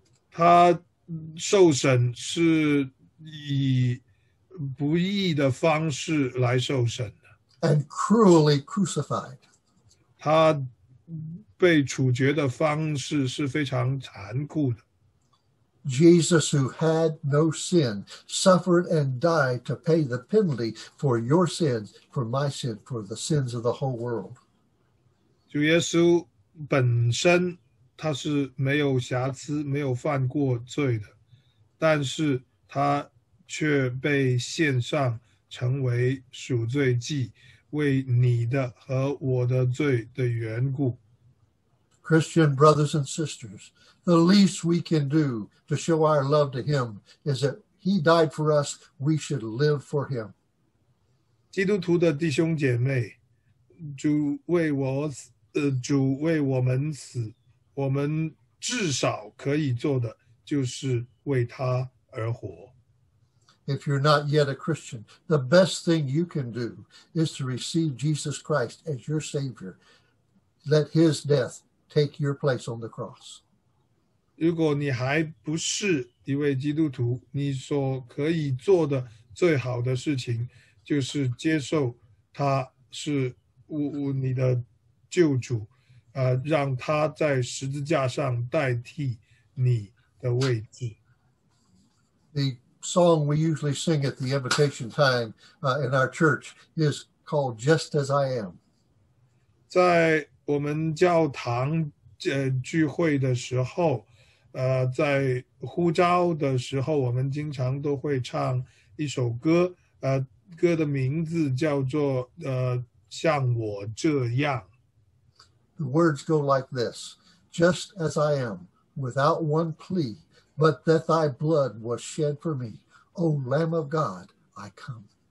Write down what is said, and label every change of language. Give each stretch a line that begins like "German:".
Chinese: 他受审是以不义的方式来受审的。
English: And cruelly crucified.
Chinese: 他被处决的方式是非常残酷的。
English: Jesus, who had no sin, suffered and died to pay the penalty for your sins, for my sin, for the sins of the whole world.
Chinese: 主耶稣本身他是没有瑕疵，没有犯过罪的，但是他却被献上成为赎罪祭，为你的和我的罪的缘故。
English: Christian brothers and sisters, the least we can do to show our love to him is that he died for us, we should live for him.
Chinese: 基督徒的弟兄姐妹，主为我们死，我们至少可以做的就是为他而活。
English: If you're not yet a Christian, the best thing you can do is to receive Jesus Christ as your Savior. Let his death take your place on the cross.
Chinese: 如果你还不是一位基督徒，你所可以做的最好的事情就是接受他是你的救主，让他在十字架上代替你的位置。
English: The song we usually sing at the invitation time in our church is called Just As I Am.
Chinese: 在我们教堂聚会的时候，在呼召的时候，我们经常都会唱一首歌，歌的名字叫做像我这样。
English: The words go like this, just as I am, without one plea, but that thy blood was shed for me, O Lamb of God, I come.